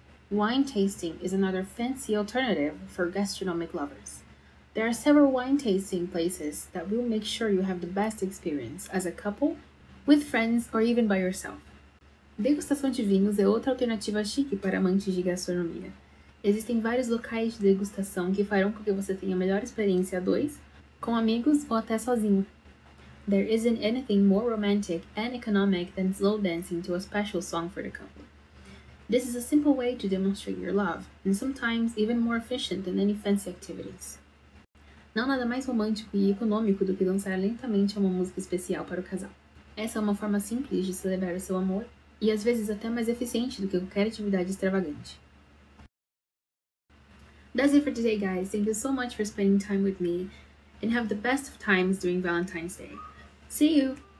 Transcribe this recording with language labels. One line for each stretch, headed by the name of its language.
English: Wine tasting is another fancy alternative for gastronomic lovers. There are several wine tasting places that will make sure you have the best experience as a couple, with friends, or even by yourself.
Portuguese: Degustação de vinhos é outra alternativa chique para amantes de gastronomia. Existem vários locais de degustação que farão com que você tenha a melhor experiência a dois, com amigos ou até sozinho.
English: There isn't anything more romantic and economic than slow dancing to a special song for the couple. This is a simple way to demonstrate your love, and sometimes even more efficient than any fancy activities.
Portuguese: Não nada mais romântico e econômico do que dançar lentamente a uma música especial para o casal. Essa é uma forma simples de celebrar o seu amor, e às vezes até mais eficiente do que qualquer atividade extravagante.
English: That's it for today, guys. Thank you so much for spending time with me, and have the best of times during Valentine's Day. See you!